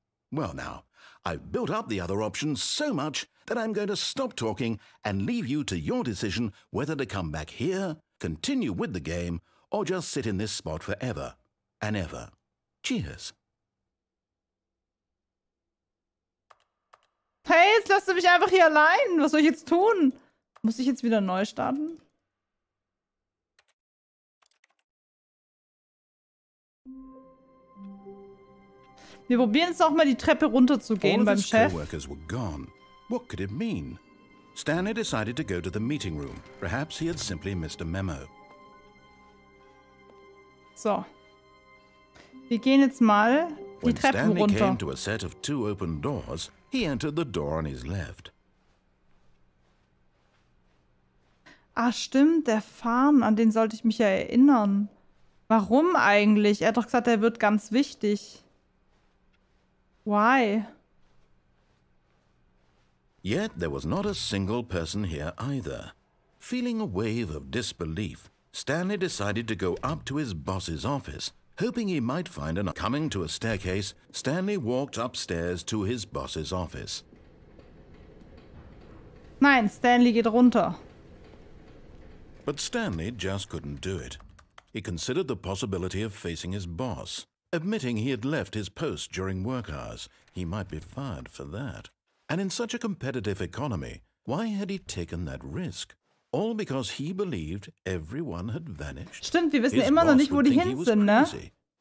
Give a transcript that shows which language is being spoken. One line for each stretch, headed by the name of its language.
English: Well now, I've built up the other option so much that I'm going to stop talking and leave you to your decision whether to come back here, continue with the game, or just sit in this spot forever and ever. Cheers.
German: Hey, jetzt lass du mich einfach hier allein. Was soll ich jetzt tun? Muss ich jetzt wieder neu starten? Wir probieren es noch mal, die Treppe runterzugehen beim Chef.
English: All his co-workers were gone. What could it mean? Stanley decided to go to the meeting room. Perhaps he had simply missed a memo.
German: So. Wir gehen jetzt mal die Treppe runter.
English: When Stanley came to a set of two open doors, he entered the door on his left.
German: Ah, stimmt, der Farn, an den sollte ich mich ja erinnern. Warum eigentlich? Er hat doch gesagt, er wird ganz wichtig.
English: Why? Yet there was not a single person here either. Feeling a wave of disbelief, Stanley decided to go up to his boss's office. Hoping he might find an... Coming to a staircase, Stanley walked upstairs to his boss's office.
German: Nein, Stanley geht runter.
English: But Stanley just couldn't do it. He considered the possibility of facing his boss. Admitting he had left his post during work hours, he might be fired for that. And in such a competitive economy, why had he taken that risk? All because he believed everyone had vanished.
German: Stimmt, wir wissen immer noch nicht, wo die hin sind, ne?